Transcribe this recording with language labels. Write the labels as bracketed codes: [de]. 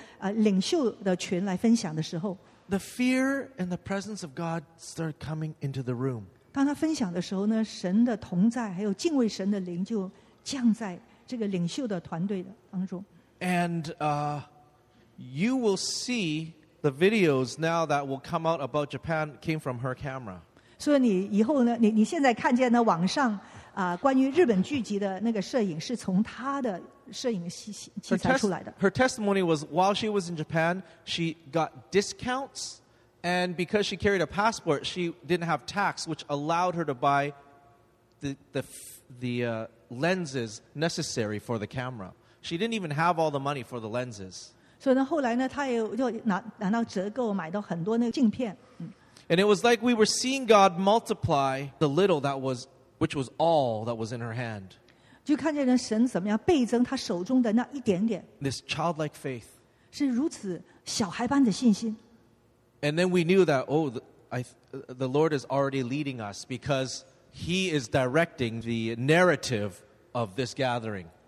[zh] 然后呢，就是呢，如此的付了代价来顺服神。后来他就跟有200个领袖的群来分享的时候， [en] The fear and the presence of God started coming into the room. [zh] 当他分享的时候呢，神的同在还有敬畏神的灵就降在这个领袖的团队的当中。 [en] And you will see the videos now that will come out about Japan came from her camera. [zh] 所以你以后呢，你现在看见的网上关于日本聚集的那个摄影是从她的摄影器材出来的。 [en] Her testimony was while she was in Japan, she got discounts, and because she carried a passport, she didn't have tax, which allowed her to buy the lenses necessary for the camera. She didn't even have all the money for the lenses. So then, [zh] 后来呢，他也就拿到折扣，买到很多那个镜片。 [en] And it was like we were seeing God multiply the little that was, which was all that was in her hand. [zh] 就看见神怎么样倍增他手中的那一点点。 [en] This childlike faith. [zh] 是如此小孩般的信心。 [en] And then we knew that the Lord is already leading us because He is directing the narrative of this gathering.